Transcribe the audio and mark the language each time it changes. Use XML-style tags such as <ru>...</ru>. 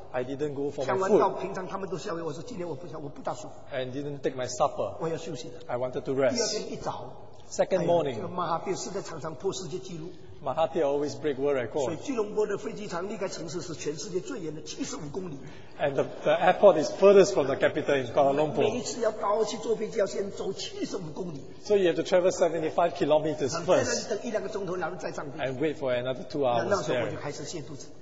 <en>I didn't go for my food, and didn't take my supper.</en> <zh>我要休息的,</zh> <en>I wanted to rest.</en> <zh>第二天一早,</zh> <en>second morning, 哎呦, Mahathir always break world record.</en> <zh>所以基隆坡的飞机场离开城市是全世界最远的75公里。</zh> <en>And the airport is furthest from the capital in Kuala Lumpur.</en> <zh>每一次要高去坐飞机要先走75公里。</zh> <en>So you have to travel 75 kilometers first.</en> <zh>等一两个钟头，然后再上飞机。</zh> <en>And wait for another 2 hours there.</en> <zh>然后那时候我就开始泻肚子。</zh>